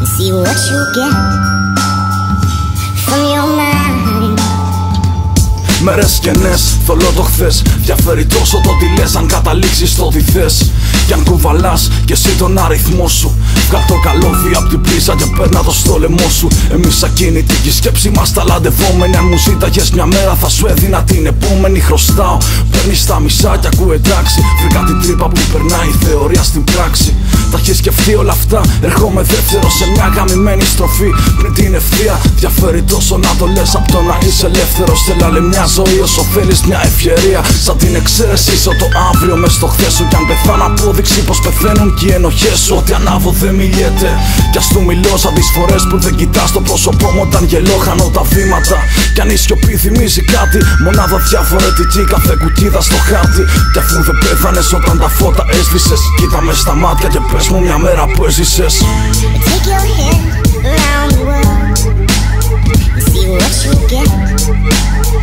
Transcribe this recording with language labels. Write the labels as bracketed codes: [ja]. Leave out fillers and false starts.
[en] What you get from your mind. [el] Μέρες και νες, θολό το χθες. Διαφέρει τόσο το τι λες αν καταλήξεις στο τι θες. Κι αν κουβαλάς κι εσύ τον αριθμό σου. Βγάλ' το καλώδι απ' την πρίζα και παίρνα το στο λαιμό σου. Εμείς ακίνητοι κι η σκέψη μας ταλαντευόμενη. Αν μου ζήταγες μια μέρα θα σου έδινα την επόμενη. Χρωστάω, παίρνεις τα μισά κι ακούω εντάξει. Βρήκα την τρύπα που περνάει η θεωρία στην πράξη. Τα έχεις σκεφτεί όλα αυτά. Έρχομαι δεύτερο σε μια γαμημένη στροφή. Πριν την ευθεία, διαφέρει τόσο να το λες απ' το να είσαι ελεύθερος. Θέλω άλλη μια ζωή όσο θέλεις, μια ευκαιρία. Σαν την εξαίρεση, ζω το αύριο μες στο χθες σου. Κι αν πεθάνω, απόδειξη πως πεθαίνουν και οι ενοχές σου. Ό,τι ανάβω δεν μιλιέται. Κι ας του μιλώ σαν τις φορές που δεν κοιτάς το πρόσωπό μου. Όταν γελώ, χάνω τα βήματα. Κι αν η σιωπή θυμίζει κάτι, μονάδα διαφορετική, κάθε κουκίδα στο χάρτη. Κι αφού δεν πέθανες όταν τα φώτα έσβησες, κοίτα με στα μάτια και πες μου μια μέρα που έζησες. [en] Take your hand around the world and see what you get.